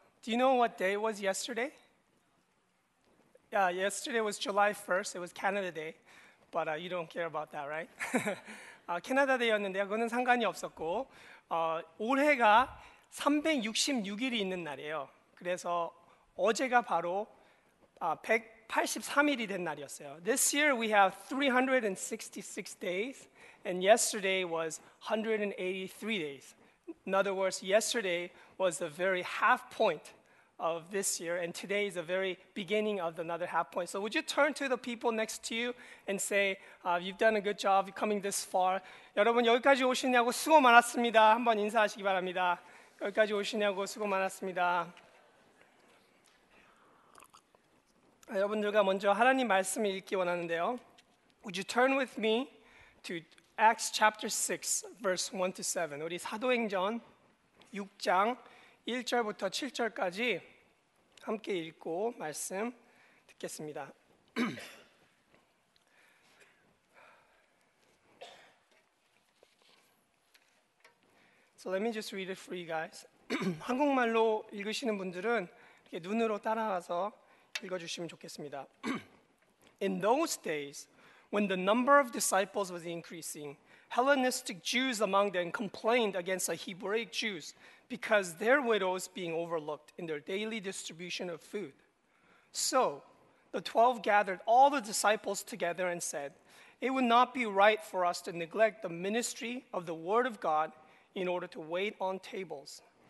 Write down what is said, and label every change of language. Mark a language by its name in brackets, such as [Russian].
[English] Do you know what day was yesterday? Yeah, yesterday was July 1st. It was Canada Day. But you don't care about that, right? [Korean] 캐나다 데이였는데요. 그거는 상관이 없었고 올해가 366일이 있는 날이에요. 그래서 어제가 바로 183일이 된 날이었어요. [English] This year we have 366 days and yesterday was 183 days. In other words, yesterday was the very half point of this year, and today is the very beginning of another half point. So would you turn to the people next to you and say, you've done a good job coming this far. [Korean] 여러분, 여기까지 오시냐고 수고 많았습니다. 한번 인사하시기 바랍니다. 여기까지 오시냐고 수고 많았습니다. 여러분들과 먼저 하나님 말씀을 읽기 원하는데요. [English] Would you turn with me to Acts chapter 6, verse 1 to 7. [Korean] 우리 사도행전 6장 1절부터 7절까지 함께 읽고 말씀 듣겠습니다. [English] So let me just read it for you guys. [Korean] 한국말로 읽으시는 분들은 이렇게 눈으로 따라와서 읽어주시면 좋겠습니다. [English] In those days, when the number of disciples was increasing, Hellenistic Jews among them complained against the Hebraic Jews because their widows being overlooked in their daily distribution of food. So the 12 gathered all the disciples together and said, it would not be right for us to neglect the ministry of the word of God in order to wait on tables.